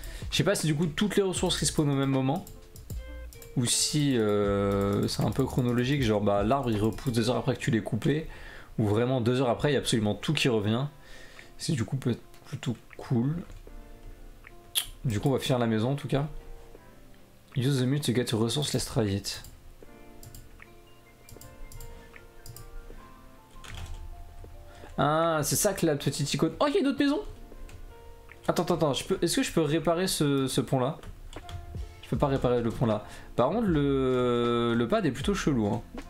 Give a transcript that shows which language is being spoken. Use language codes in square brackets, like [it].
[fr] Je sais pas si, du coup, toutes les ressources respawn au même moment. Ou si c'est un peu chronologique, genre bah l'arbre il repousse 2 heures après que tu l'aies coupé, ou vraiment 2 heures après il y a absolument tout qui revient. C'est du coup peut-être plutôt cool. Du coup on va finir la maison en tout cas. [en] Use the mule to get a resource, let's try it. [fr] Ah c'est ça que la petite icône. Oh il y a une autre maison. Attends, est-ce que je peux réparer ce pont là? Je peux pas réparer le pont là. Par contre, le pad est plutôt chelou. Hein.